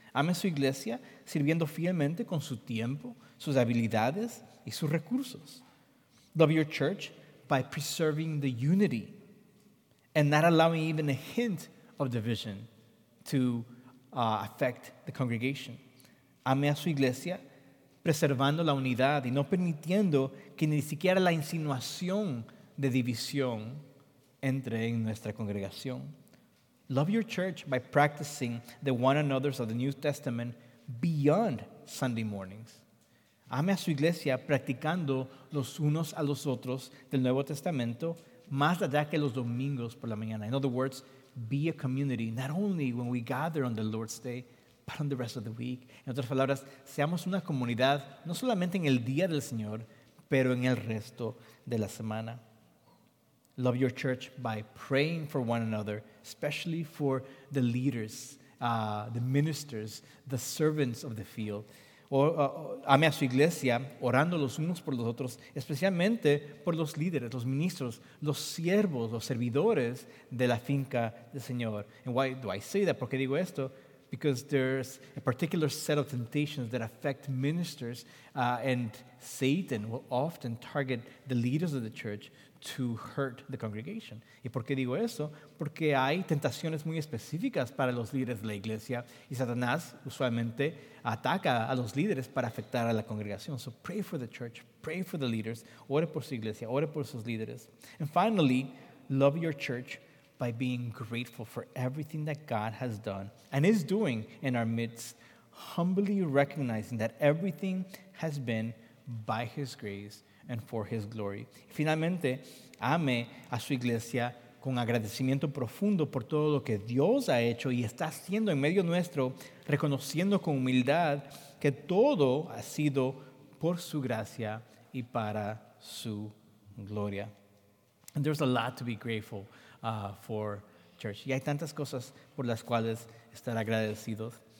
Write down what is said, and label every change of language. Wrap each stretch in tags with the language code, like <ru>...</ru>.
<es>Amen su iglesia sirviendo fielmente con su tiempo, sus habilidades, y sus recursos.</es> <en>Love your church by preserving the unity and not allowing even a hint of division to affect the congregation.</en> <es>Ame a su iglesia preservando la unidad y no permitiendo que ni siquiera la insinuación de división entre en nuestra congregación.</es> <en>Love your church by practicing the one another's of the New Testament beyond Sunday mornings.</en> <es>Ame a su iglesia practicando los unos a los otros del Nuevo Testamento más allá que los domingos por la mañana.</es> <en>In other words, be a community, not only when we gather on the Lord's Day, but on the rest of the week.</en> <es>En otras palabras, seamos una comunidad, no solamente en el día del Señor, pero en el resto de la semana.</es> <en>Love your church by praying for one another, especially for the leaders, the ministers, the servants of the field.</en> <es>Ame a su iglesia, orando los unos por los otros, especialmente por los líderes, los ministros, los siervos, los servidores de la finca del Señor.</es> <en>And why do I say that?</en> <es>¿Por qué digo esto?</es> <en>Because there's a particular set of temptations that affect ministers, and Satan will often target the leaders of the church to hurt the congregation.</en> <es>¿Y por qué digo eso? Porque hay tentaciones muy específicas para los líderes de la iglesia y Satanás usualmente ataca a los líderes para afectar a la congregación.</es> <en>So pray for the church, pray for the leaders,</en> <es>ore por su iglesia, ore por sus líderes.</es> <en>And finally, love your church by being grateful for everything that God has done and is doing in our midst, humbly recognizing that everything has been by His grace and for His glory.</en> <es>Finalmente, ame a su iglesia con agradecimiento profundo por todo lo que Dios ha hecho y está haciendo en medio nuestro, reconociendo con humildad que todo ha sido por su gracia y para su gloria.</es> <en>And there's a lot to be grateful for, church.</en> <es>Y hay tantas cosas por las cuales estar agradecidos.</es>